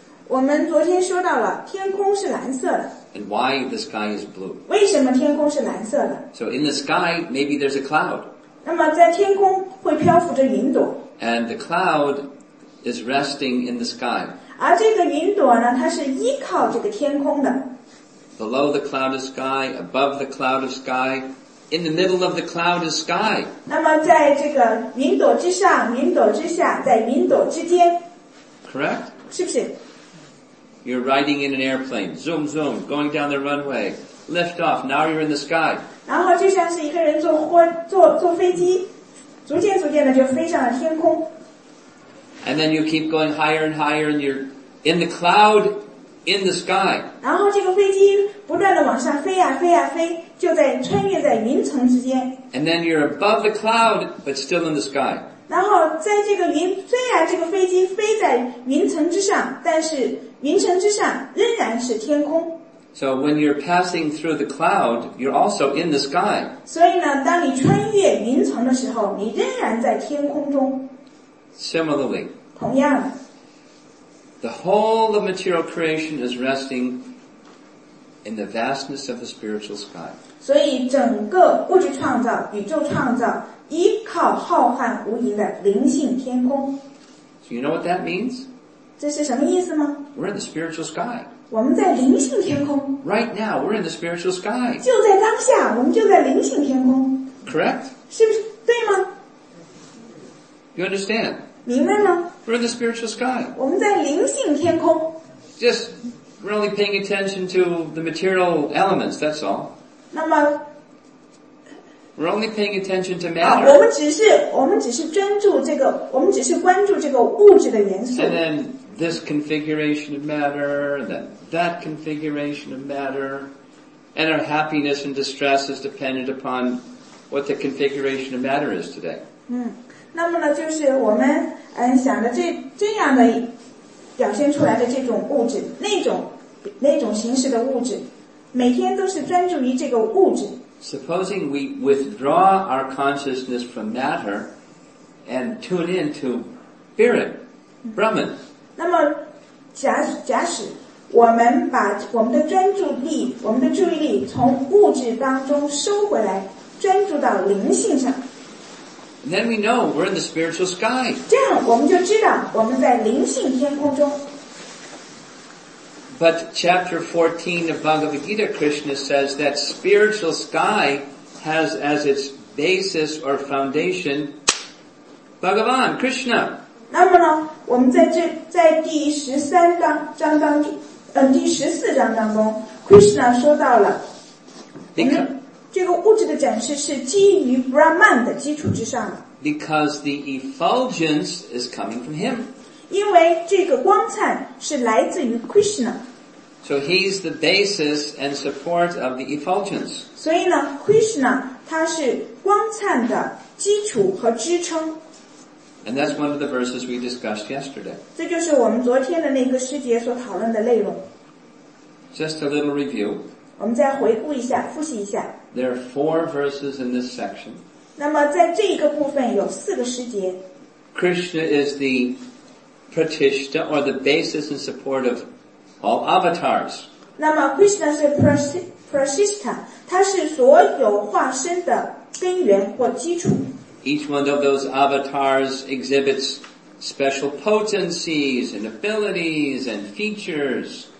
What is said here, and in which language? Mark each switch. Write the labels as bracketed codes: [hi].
[zh] 我们昨天说到了天空是蓝色的。 [en] And why the sky is blue? [zh] 为什么天空是蓝色的 [en] ？So in the sky, maybe there's a cloud. [zh] 那么在天空会漂浮着云朵。 [en] And the cloud. Is resting in the sky. [zh] 而这个云朵呢，它是依靠这个天空的。 [en] Below the cloud of sky, above the cloud of sky, in the middle of the cloud of sky. [zh] 那么在这个云朵之上，云朵之下，在云朵之间。 [en] Correct. [zh] 是不是 [en] ？You're riding in an airplane, zoom zoom, going down the runway. lift off. Now you're in the sky. [zh] 然后就像是一个人坐火坐坐飞机，逐渐逐渐的就飞上了天空。 [en] And then you keep going higher and higher, and you're in the cloud, in the sky. [zh] 然后这个飞机不断的往上飞呀、啊、飞呀、啊、飞，就在穿越在云层之间。 [en] And then you're above the cloud, but still in the sky. [zh] 然后在这个云虽然这个飞机飞在云层之上但是云层之上仍然是天空 [en] So when you're passing through the cloud you're also in the sky [zh] 所以呢当你穿越云层的时候你仍然在天空中 [en] Similarly [zh] 同样 [en] The whole of material creation is resting in the vastness of the spiritual sky [zh] 所以整个物质创造宇宙创造依靠浩瀚无垠的灵性天空。 [en] So you know what that means? [zh] 这是什么意思吗? [en] We're in the spiritual sky. [zh] 我们在灵性天空。 [en] Right now, we're in the spiritual sky. [zh] 就在当下,我们就在灵性天空。 [en] Correct? [zh] 是不是对吗? [en] You understand? [zh] 明白吗? [en] We're in the spiritual sky. [zh] 我们在灵性天空。 [en] Just, we're only paying attention to the material elements, that's all. [zh] 那么 [en] We're only paying attention to matter. [zh] 我们只是专注这个，我们只是关注这个物质的元素。 [en] And then this configuration of matter, that configuration of matter, and our happiness and distress is dependent upon what the configuration of matter is today. [zh] 嗯，那么呢，就是我们想的这样的表现出来的这种物质，那种形式的物质，每天都是专注于这个物质。 [en] Supposing we withdraw our consciousness from matter and tune in to spirit, Brahman. [zh] 那么假使我们把我们的专注力我们的注意力从物质当中收回来专注到灵性上。 [en] And then we know we're in the spiritual sky. [zh] 这样我们就知道我们在灵性天空中。 [en] But chapter 14 of Bhagavad Gita, Krishna says that spiritual sky has as its basis or foundation Bhagavan, Krishna. [zh] 那么呢，我们在第十三章章当中，第十四章当中 ，Krishna 说到了，这个物质的展示是基于 Brahman 的基础之上的。 [en] Because the effulgence is coming from him. [zh] 因为这个光灿是来自于 Krishna。 [en] So he's the basis and support of the effulgence. [zh] 所以呢 ，Krishna 他是光灿的基础和支撑。 [en] And that's one of the verses we discussed yesterday. [zh] 这就是我们昨天的那个师节所讨论的内容。 [en] Just a little review. [zh] 我们再回顾一下，复习一下。 [en] There are four verses in this section. [zh] 那么在这一个部分有四个师节。 [en] Krishna is the pratishtha or the basis and support of All avatars. [zh] 那么 Krishna 是 prasishta, 它是所有化身的根源或基础。 [en] Each one of those avatars exhibits special potencies and abilities and features.